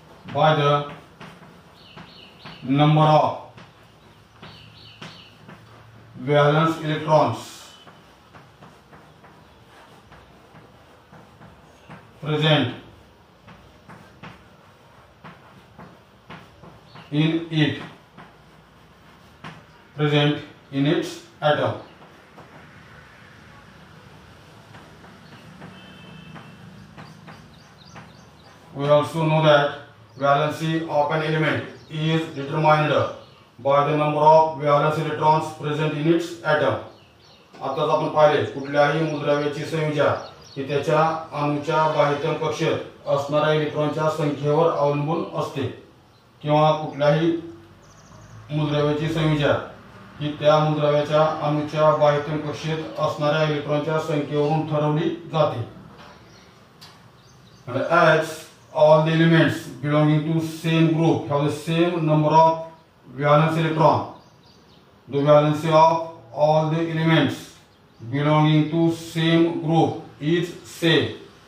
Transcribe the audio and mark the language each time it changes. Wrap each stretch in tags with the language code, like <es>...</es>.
<en>by the number of valence electrons present in it, present in its atom. We also know that valency of an element is determined by the number of valence electrons present in its atom.</en> <mr>आता जर आपण पाहिले कुठल्याही मूलद्रव्याची संयुजा ही त्याच्या अणूच्या बाह्यतम कक्षेत असणाऱ्या इलेक्ट्रॉनच्या संख्येवर अवलंबून असते किंवा कुठल्याही मूलद्रव्याची संयुजा ही त्या मूलद्रव्याच्या अणूच्या बाह्यतम कक्षेत असणाऱ्या इलेक्ट्रॉनच्या संख्येवरून ठरवली जाते.</mr> <en>And as all the elements belonging to same group have the same number of valence electrons, the valency of all the elements belonging to same group is same.</en>